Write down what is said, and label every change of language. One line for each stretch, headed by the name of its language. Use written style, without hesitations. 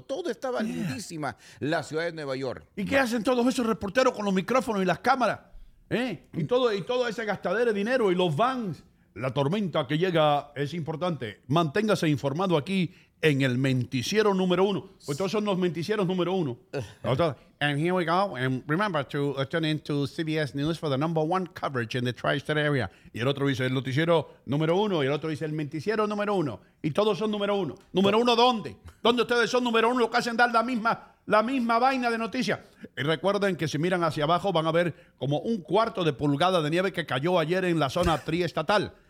Spanish: Todo estaba lindísima, la ciudad de Nueva York. ¿Y qué hacen todos esos reporteros con los micrófonos y las cámaras? ¿Eh? Y todo ese gastadero de dinero y los vans. La tormenta que llega es importante. Manténgase informado aquí en el menticiero número uno. Pues todos son los menticieros número uno.
English: And here we go. And remember to tune into CBS News for the number one coverage in the tri-state area.
Spanish: Y el otro dice el noticiero número uno. Y el otro dice el menticiero número uno. Y todos son número uno. ¿Número uno dónde? ¿Dónde ustedes son número uno? Lo que hacen dar la misma vaina de noticias. Y recuerden que si miran hacia abajo van a ver como 1/4 de pulgada de nieve que cayó ayer en la zona triestatal.